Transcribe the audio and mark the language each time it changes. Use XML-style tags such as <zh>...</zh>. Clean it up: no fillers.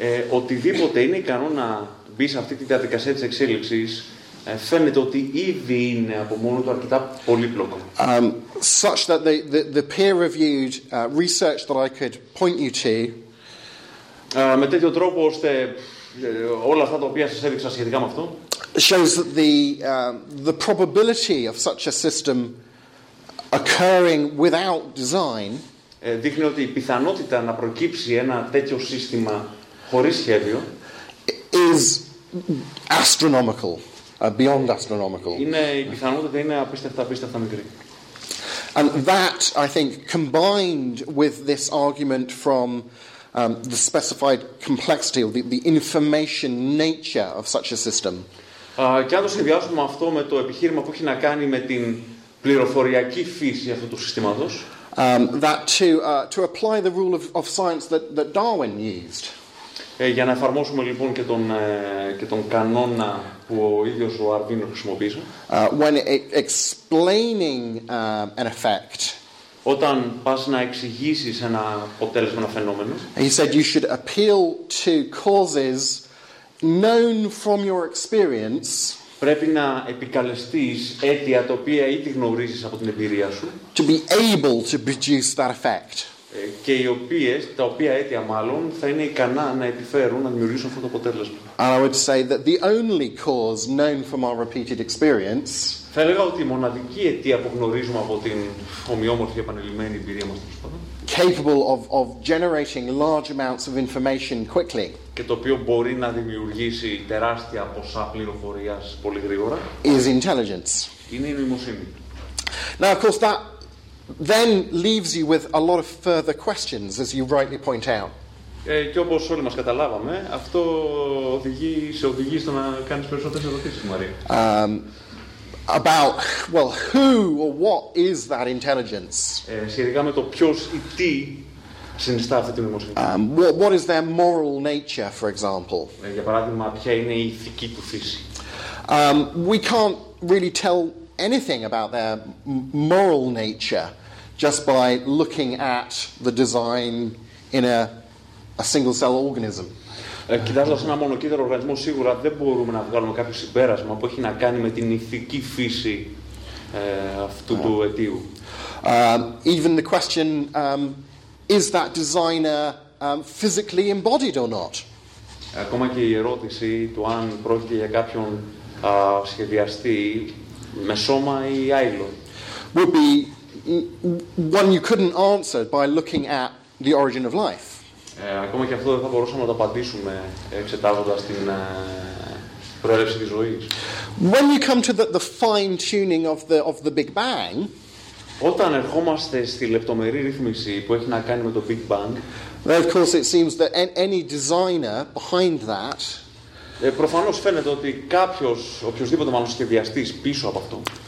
<el>Οτιδήποτε είναι ικανό να μπει σε αυτή τη διαδικασία της εξέλιξης φαίνεται ότι ήδη είναι από μόνο του αρκετά πολύπλοκο.</el> <en>Such that the peer-reviewed research that I could point you to.</en> <el>Με τέτοιο τρόπο ώστε όλα αυτά τα οποία σας έδειξα σχετικά με αυτό.</el> <en>Shows that the probability of such a system occurring without design.</en> <el>Δείχνει ότι η πιθανότητα να προκύψει ένα τέτοιο σύστημα χωρίς σχέδιο</el> <en>is astronomical, beyond astronomical.</en> <el>Είναι η πιθανότητα είναι απίστευτα μικρή.</el> <en>And that, I think, combined with this argument from the specified complexity or the information nature of such a system.</en> <el>Και αν το συνδυάσουμε αυτό με το επιχείρημα που έχει να κάνει με την πληροφοριακή φύση αυτού του συστήματος.</el> <en>That to apply the rule of science that Darwin used.</en> <el>Για να εφαρμόσουμε λοιπόν και τον κανόνα που ο ίδιος ο Αρβίνος χρησιμοποίησε.</el> <en>When explaining an effect.</en> <el>Όταν πας να εξηγήσεις ένα αποτέλεσμα, ένα φαινόμενο.</el> <en>He said you should appeal to causes known from your experience.</en> <el>Πρέπει να επικαλεστείς αίτια τα οποία ήδη γνωρίζεις από την εμπειρία σου.</el> <en>To be able to produce that effect.</en> <el>Και τα οποία αίτια μάλλον θα είναι ικανά να επιφέρουν, να δημιουργήσουν αυτό το αποτέλεσμα.</el> <en>And I would say that the only cause known from our repeated experience.</en> <el>Θα έλεγα ότι η μοναδική αιτία που γνωρίζουμε από την ομοιόμορφη επανειλημμένη εμπειρία μας.</el> <en>Capable of generating large amounts of information quickly.</en> <el>Και το οποίο μπορεί να δημιουργήσει τεράστια ποσά πληροφορίας πολύ γρήγορα.</el> <en>Is intelligence.</en> <el>Είναι η νοημοσύνη.</el> <en>Now of course that then leaves you with a lot of further questions, as you rightly point out.</en> <el>Και όπως όλοι μας καταλάβαμε, αυτό οδηγεί στο να κάνεις περισσότερες ερωτήσεις, Μαρία.</el> <en>About, well, who or what is that intelligence?</en> <el>Σχετικά με το ποιος ή τι συνιστά αυτή την νοημοσύνη.</el> <en>What is their moral nature, for example?</en> <el>Για παράδειγμα, ποια είναι η ηθική του φύση.</el> <en>We can't really tell anything about their moral nature just by looking at the design in a single-cell organism.</en> <el>Κοιτάζοντας ένα μονοκύτταρο οργανισμό, σίγουρα δεν μπορούμε να βγάλουμε κάποιο συμπέρασμα που έχει να κάνει με την ηθική φύση αυτού του αιτίου.</el> <en>Even the question, is that designer physically embodied or not?</en> <el>Ακόμα και η ερώτηση του αν πρόκειται για κάποιον σχεδιαστή με σώμα ή άειλο.</el> <en>Would be one you couldn't answer by looking at the origin of life.</en> <el>Ακόμα και αυτό δεν θα μπορούσαμε να το απαντήσουμε εξετάζοντας την προέλευση της ζωής.</el> <en>When you come to the fine-tuning of the Big Bang,</en> <el>όταν ερχόμαστε στη λεπτομερή ρύθμιση που έχει να κάνει με το Big Bang,</el> <en>then of course it seems that any designer behind that,</en> <el>προφανώς φαίνεται ότι κάποιος, οποιοσδήποτε μάλλον σχεδιαστής πίσω από αυτό,</el>